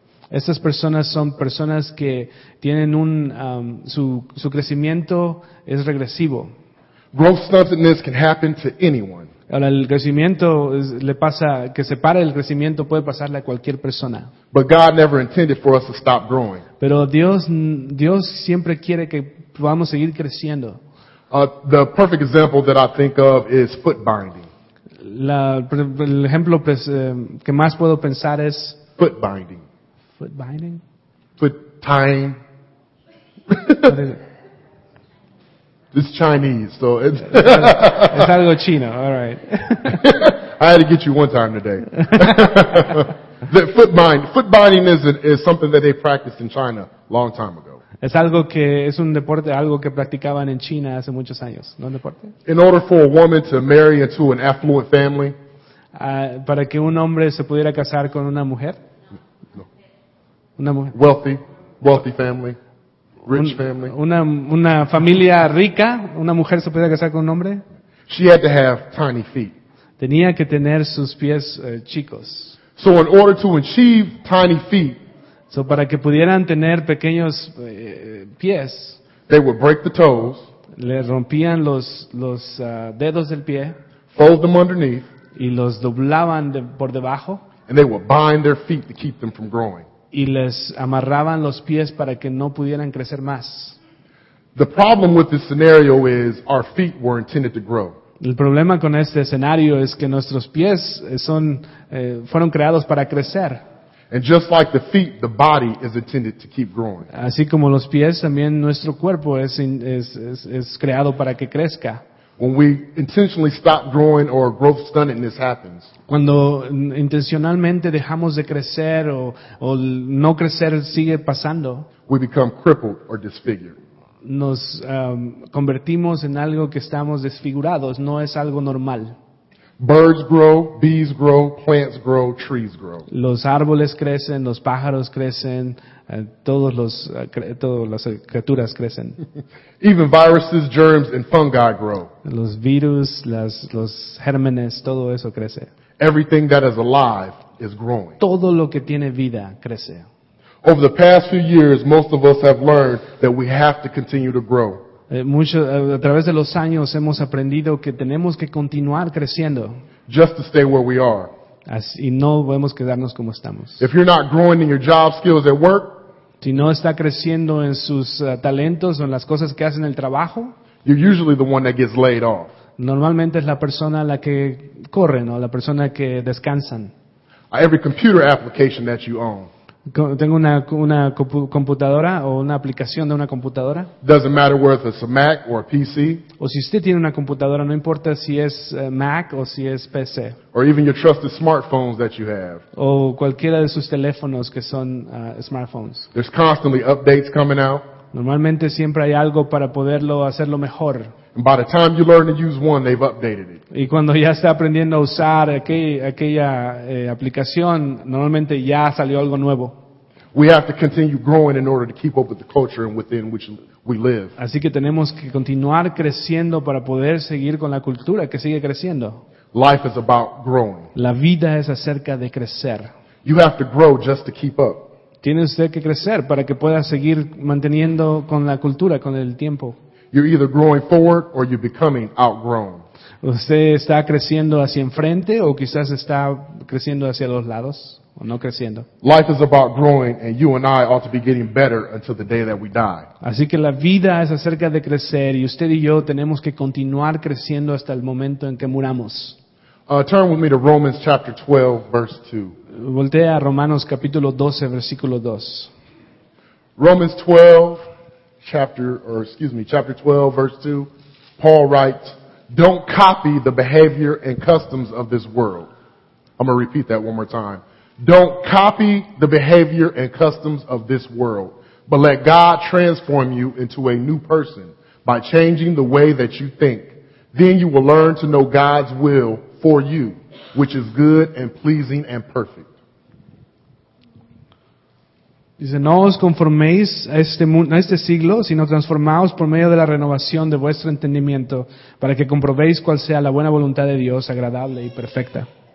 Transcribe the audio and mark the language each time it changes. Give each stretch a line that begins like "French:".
Spanish: Estas personas son personas que tienen su crecimiento es regresivo.
English: Growth stuntedness can happen to anyone.
Spanish: Ahora el crecimiento le pasa que se para el crecimiento puede pasarle a cualquier persona.
English: But God never intended for us to stop growing.
Spanish: Pero Dios siempre quiere que podamos seguir creciendo.
English: The perfect example that I think of is foot binding.
Spanish: El ejemplo que más puedo pensar es
English: foot binding. Foot binding? Foot tying. It's Chinese, so it's it's
Spanish: algo chino.
English: All right. I had to get you one time today. foot binding is something that they practiced in China a long time ago.
Spanish: Es algo que es un deporte, algo que practicaban en China hace muchos años, ¿no? Deporte.
English: In order for a woman to marry into an affluent family,
Spanish: para que un hombre se pudiera casar con una mujer, no. Una mujer.
English: Wealthy family. Rich family.
Spanish: Una familia rica. Una mujer se podía casar con un hombre.
English: She had to have tiny feet.
Spanish: Tenía que tener sus pies chicos.
English: So in order to achieve tiny feet.
Spanish: So para que pudieran tener pequeños pies.
English: They would break the toes.
Spanish: Le rompían los dedos del pie.
English: Fold them underneath.
Spanish: Y los doblaban por debajo.
English: And they would bind their feet to keep them from growing.
Spanish: Y les amarraban los pies para que no pudieran crecer más.
English: The problem with this scenario is our feet were intended to grow.
Spanish: El problema con este escenario es que nuestros pies son fueron creados para crecer.
English: And just like the feet, the body is intended to keep growing.
Spanish: Así como los pies, también nuestro cuerpo es creado para que crezca.
English: When we intentionally stop growing or growth stuntedness happens.
Spanish: Cuando intencionalmente dejamos de crecer o no crecer sigue pasando.
English: We become crippled or disfigured.
Spanish: Nos convertimos en algo que estamos desfigurados. No es algo normal.
English: Birds grow, bees grow, plants grow, trees grow.
Spanish: Los árboles crecen, los pájaros crecen, todas las criaturas crecen.
English: Even viruses, germs, and fungi grow.
Spanish: Los virus, los gérmenes, todo eso crece.
English: Everything that is alive is growing.
Spanish: Todo lo que tiene vida crece.
English: Over the past few years, most of us have learned that we have to continue to grow.
Spanish: A través de los años hemos aprendido que tenemos que continuar creciendo.
English: Just to stay where we are.
Spanish: Y no podemos quedarnos como estamos.
English: If you're not growing in your job skills at work,
Spanish: si no está creciendo en sus talentos o en las cosas que hace en el trabajo,
English: you're usually the one that gets laid off.
Spanish: Normalmente es la persona a la que corren o la persona que descansan.
English: Every computer application that you own.
Spanish: Tengo una computadora o una aplicación de una computadora.
English: Doesn't matter whether it's a Mac or a PC.
Spanish: O si usted tiene una computadora, no importa si es Mac o si es PC.
English: Or even your trusted smartphones that you have.
Spanish: O cualquiera de sus teléfonos que son smartphones.
English: There's constantly updates coming out.
Spanish: Normalmente siempre hay algo para poderlo hacerlo mejor.
English: And by the time you learn to use one, they've updated it.
Spanish: Y cuando ya está aprendiendo a usar aquella aplicación, normalmente ya salió algo nuevo.
English: We have to continue growing in order to keep up with the culture within which we live.
Spanish: Así que tenemos que continuar creciendo para poder seguir con la cultura que sigue creciendo.
English: Life is about growing.
Spanish: La vida es acerca de crecer.
English: You have to grow just to keep up.
Spanish: Tiene usted que crecer para que pueda seguir manteniendo con la cultura, con el tiempo.
English: You're either growing forward or you're becoming outgrown.
Spanish: Usted está creciendo hacia enfrente o quizás está creciendo hacia los lados o no creciendo.
English: Life is about growing and you and I ought to be getting better until the day that we die.
Spanish: Así que la vida es acerca de crecer y usted y yo tenemos que continuar creciendo hasta el momento en que muramos.
English: Turn with me to Romans chapter 12, verse 2.
Spanish: Voltea a Romanos capítulo 12, versículo 2.
English: Romans 12, chapter 12, verse 2. Paul writes, "Don't copy the behavior and customs of this world." I'm going to repeat that one more time. "Don't copy the behavior and customs of this world, but let God transform you into a new person by changing the way that you think. Then you will learn to know God's will for you, which is good and pleasing and perfect."
Spanish: Dice, "No os conforméis a este siglo, sino transformaos por medio de la renovación de vuestro entendimiento, para que comprobéis cuál sea la buena voluntad de Dios, agradable y perfecta."